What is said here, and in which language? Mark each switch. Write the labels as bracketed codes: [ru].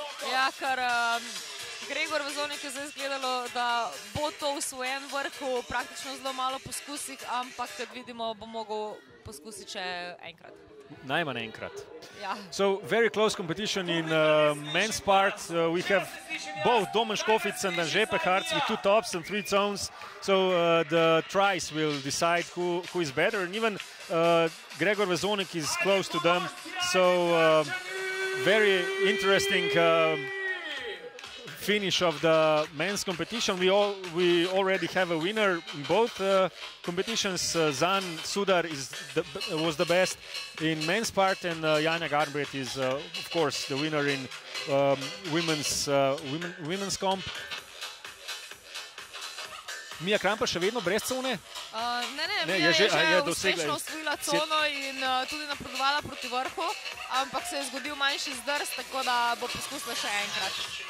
[sl] Ja, ker Gregor Vazovnik je zdaj izgledalo, da bo to usvojen vrh v praktično zelo malo poskusih, ampak kad vidimo, bo mogel poskusiti še enkrat. Najmanj enkrat. Ja. [en] So, very close competition in men's part. We have both Domen Škofic and Anže Peharc with 2 tops and 3 zones. So, the tries will decide who is better. And even Gregor Vazovnik is close to them. So, very interesting finish of the men's competition. We already have a winner in both competitions. Zan Sudar was the best in men's part, and Jana Garnbret is, of course, the winner in women's comp. [sl] Mija Krampa še vedno brez cone? Ne, Mija je že uspešno osvojila cono in tudi napredovala proti vrhu, ampak se je zgodil manjši zdrs, tako da bo poskusila še enkrat.